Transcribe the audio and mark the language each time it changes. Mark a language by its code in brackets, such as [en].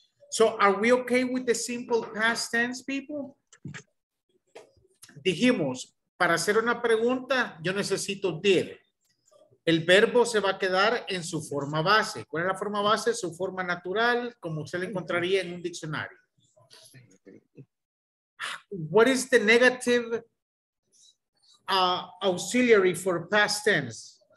[en] So, are we okay with the simple past tense, people? [es] Dijimos, para hacer una pregunta, yo necesito did. El verbo se va a quedar en su forma base. ¿Cuál es la forma base? Su forma natural, como usted la encontraría en un diccionario. [en] What is the negative auxiliary for past tense?